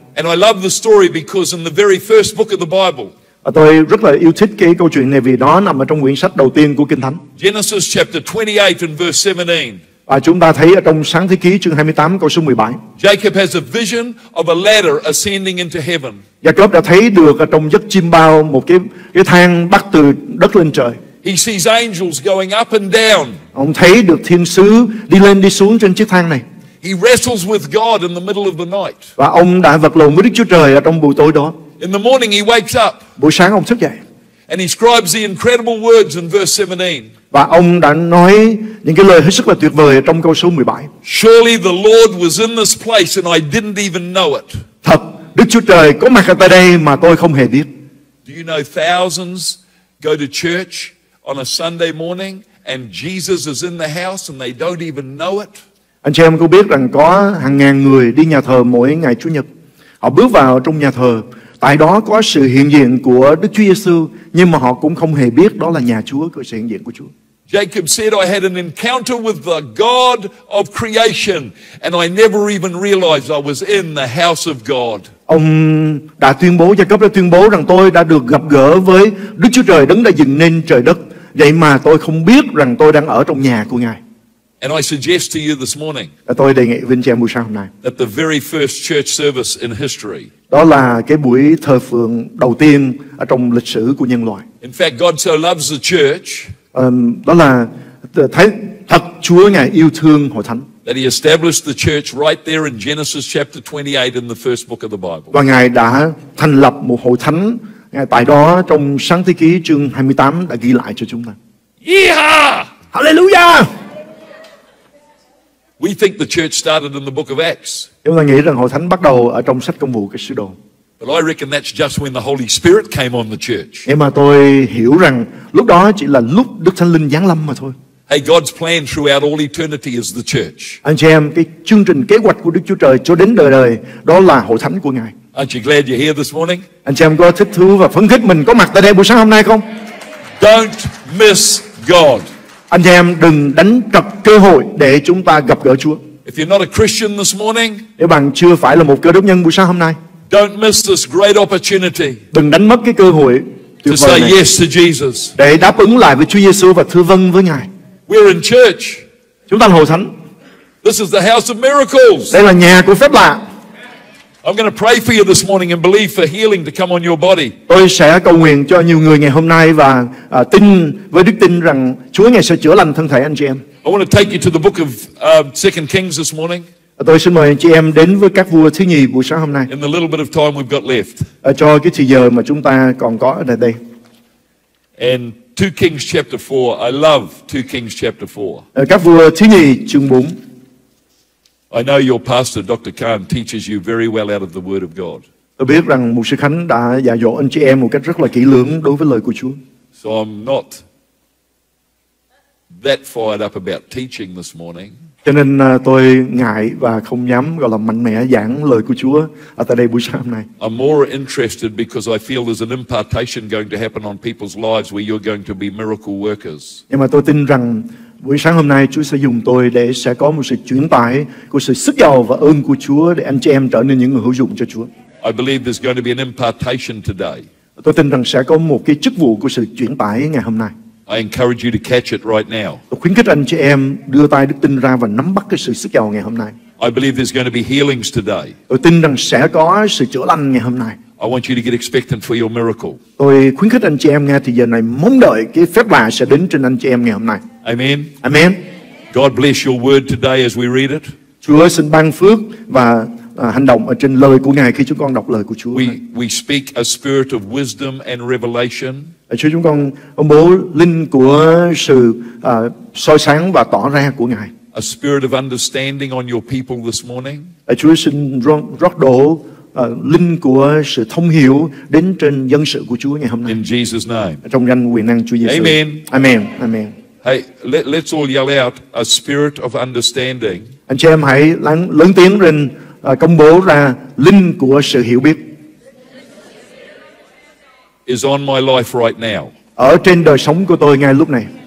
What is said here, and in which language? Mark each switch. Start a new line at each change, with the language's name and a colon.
English: And I love the story because in the very first book of the Bible.
Vietnamese: Tôi rất là yêu thích cái câu chuyện này vì nó nằm ở trong quyển sách đầu tiên của Kinh Thánh.
English: Genesis chapter 28 and verse 17.
Vietnamese: Và chúng ta thấy ở trong Sáng Thế Ký chương 28 câu số 17.
English: Jacob has a vision of a ladder ascending into heaven.
Vietnamese: Jacob đã thấy được ở trong giấc chiêm bao một cái thang bắt từ đất lên trời.
English: He sees angels going up and down.
Vietnamese: Ông thấy được thiên sứ đi lên đi xuống trên chiếc thang này.
English: He wrestles with God in the middle of the night.
Vietnamese: Và ông đã vật lộn với Đức Chúa Trời ở trong buổi tối đó.
English: In the morning he wakes up.
Vietnamese: Buổi sáng ông thức dậy.
English: And he scribes the incredible words in verse 17.
Vietnamese: Và ông đã nói những cái lời hết sức là tuyệt vời trong câu số 17.
English: Surely the Lord was in this place and I didn't even know it.
Vietnamese: Thật, Đức Chúa Trời có mặt ở tại đây mà tôi không hề biết.
English: Do you know thousands go to church on a Sunday morning and Jesus is in the house and they don't even know it?
Vietnamese: Anh chị em có biết rằng có hàng ngàn người đi nhà thờ mỗi ngày Chủ nhật. Họ bước vào trong nhà thờ, tại đó có sự hiện diện của Đức Chúa Giêsu, nhưng mà họ cũng không hề biết đó là nhà Chúa, có sự hiện diện của Chúa.
English: Jacob said I had an encounter with the God of creation and I never even realized I was in the house of God.
Vietnamese: Ông đã tuyên bố, Jacob đã tuyên bố rằng tôi đã được gặp gỡ với Đức Chúa Trời đấng đã dựng nên trời đất, vậy mà tôi không biết rằng tôi đang ở trong nhà của Ngài.
English: And I suggest to you this morning.
Vietnamese: Tôi đề nghị Vinh Trang buổi sáng hôm nay.
English: That the very first church service in history.
Vietnamese: Đó là cái buổi thờ phượng đầu tiên ở trong lịch sử của nhân loại.
English: In fact, God so loves the church.
Vietnamese: Đó là thật Chúa Ngài yêu thương hội thánh.
English: That he established the church right there in Genesis chapter 28 in the first book of the Bible.
Vietnamese: Và Ngài đã thành lập một hội thánh ngay tại đó trong Sáng Thế Ký chương 28 đã ghi lại cho chúng ta. Yeehaw! Hallelujah!
English: We think the church started in the book of Acts.
Vietnamese: Chúng ta nghĩ rằng hội thánh bắt đầu ở trong sách Công Vụ các sứ đồ.
English: But I reckon that's just when the Holy Spirit came on the church.
Vietnamese: Nhưng mà tôi hiểu rằng lúc đó chỉ là lúc Đức Thánh Linh giáng lâm mà thôi.
English: Hey, God's plan throughout all eternity is the church.
Vietnamese: Anh chị em, cái chương trình kế hoạch của Đức Chúa Trời cho đến đời đời đó là hội thánh của Ngài.
English: Aren't you glad you're here this morning?
Vietnamese: Anh chị em có thích thú và phấn khích mình có mặt tại đây buổi sáng hôm nay không?
English: Don't miss God.
Vietnamese: Anh chị em đừng đánh trật cơ hội để chúng ta gặp gỡ Chúa.
English: If you're not a Christian this morning,
Vietnamese: nếu bạn chưa phải là một Cơ Đốc nhân buổi sáng hôm nay,
English: don't miss this great opportunity.
Vietnamese: Đừng đánh mất cái cơ hội
English: to say yes to Jesus.
Vietnamese: Để đáp ứng lại với Chúa Giêsu và thưa vâng với Ngài.
English: We're in church.
Vietnamese: Chúng ta là hội thánh.
English: This is the house of miracles.
Vietnamese: Đây là nhà của phép lạ.
English: I'm going to pray for you this morning and believe for healing to come on your body.
Vietnamese: Tôi sẽ cầu nguyện cho nhiều người ngày hôm nay và tin với đức tin rằng Chúa Ngài sẽ chữa lành thân thể anh chị em.
English: I want to take you to the book of 2 Kings this morning.
Vietnamese: Tôi xin mời anh chị em đến với Các Vua thứ nhì buổi sáng hôm nay.
English: In the little bit of time we've got left.
Vietnamese: Cho cái thời giờ mà chúng ta còn có ở đây.
English: And 2 Kings chapter 4. I love 2 Kings chapter 4.
Vietnamese: Các Vua thứ nhì chương 4.
English: I know your pastor, Dr. Khan, teaches you very well out of the Word of God.
Vietnamese: Tôi biết rằng Mục sư Khánh đã dạy dỗ anh chị em một cách rất là kỹ lưỡng đối với lời của Chúa.
English: So I'm not that fired up about teaching this morning.
Vietnamese: Cho nên tôi ngại và không dám gọi là mạnh mẽ giảng lời của Chúa ở tại đây buổi sáng hôm nay.
English: I'm more interested because I feel there's an impartation going to happen on people's lives where you're going to be miracle workers.
Vietnamese: Nhưng mà tôi tin rằng buổi sáng hôm nay Chúa sẽ dùng tôi để sẽ có một sự chuyển tải của sự sức giàu và ơn của Chúa để anh chị em trở nên những người hữu dụng cho Chúa.
English: I believe there's going to be an impartation today.
Vietnamese: Tôi tin rằng sẽ có một cái chức vụ của sự chuyển tải ngày hôm nay.
English: I encourage you to catch it right now.
Vietnamese: Tôi khuyến khích anh chị em đưa tay đức tin ra và nắm bắt cái sự sức giàu ngày hôm nay.
English: I believe there's going to be healings today.
Vietnamese: Tôi tin rằng sẽ có sự chữa lành ngày hôm nay.
English: I want you to get expectant for your miracle.
Vietnamese: Tôi khuyến khích anh chị em ngay từ giờ này mong đợi cái phép lạ sẽ đến trên anh chị em ngày hôm nay. Amen. Amen.
English: God bless your word today as we read it.
Vietnamese: Chúa xin ban phước và hành động ở trên lời của Ngài khi chúng con đọc lời của Chúa.
English: We speak a spirit of wisdom and revelation.
Vietnamese: Chúa chúng con ông bố linh của sự soi sáng và tỏ ra của Ngài.
English: a spirit of understanding on your people this morning.
Vietnamese: Chúa xin rót đổ linh của sự thông hiểu đến trên dân sự của Chúa ngày hôm nay.
English: In Jesus' name.
Vietnamese: Trong danh quyền năng Chúa Giêsu. Amen. Amen. Amen.
English: Hey, let's all yell out a spirit of understanding.
Vietnamese: Anh chị em hãy lớn tiếng lên công bố ra linh của sự hiểu biết.
English: Is on my life right now.
Vietnamese: Ở trên đời sống của tôi ngay lúc này.